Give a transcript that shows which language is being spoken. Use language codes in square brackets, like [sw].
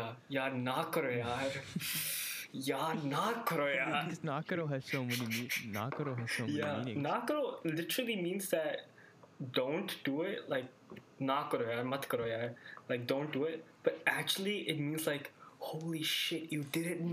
[ur] یار نا کرو, یار. یار نا کرو, یار. [en] Because na karo has so many meanings. Na karo has so many meanings. Na karo literally means that don't do it. [ur] Like, نا کرو, یار. مت کرو, یار. [en] Like, don't do it. But actually, it means like, holy shit, you did it.